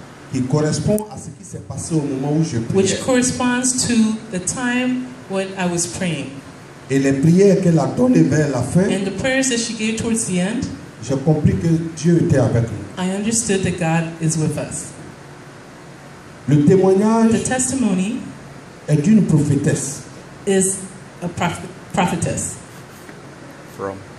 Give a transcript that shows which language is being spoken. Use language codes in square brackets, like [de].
[fr] Qui correspond à ce qui s'est passé au moment où je priais. [en] Which corresponds to the time when I was praying. [fr] Et les prières qu'elle a données vers la fin. [en] And the prayers that she gave towards the end. [fr] J'ai compris que Dieu était avec nous. [en] I understood that God is with us. [fr] Le témoignage. [en] The testimony. [fr] Est d'une prophétesse. [en] Is a prophet. Prophetess. From.